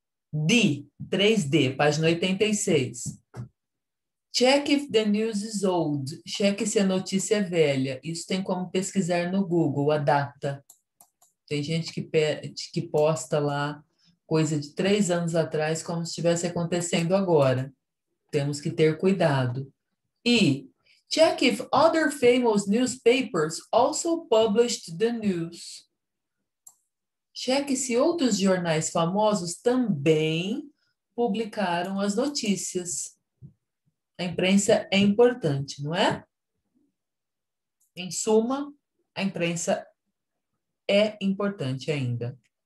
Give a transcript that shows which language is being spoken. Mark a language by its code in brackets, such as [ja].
[en] D, 3D, página 86. Check if the news is old. [pt] Cheque se a notícia é velha. Isso tem como pesquisar no Google a data. Tem gente que posta lá coisa de 3 anos atrás, como se estivesse acontecendo agora. Temos que ter cuidado. [en] E check if other famous newspapers also published the news. [pt] Cheque se outros jornais famosos também publicaram as notícias. A imprensa é importante, não é? Em suma, a imprensa é importante ainda.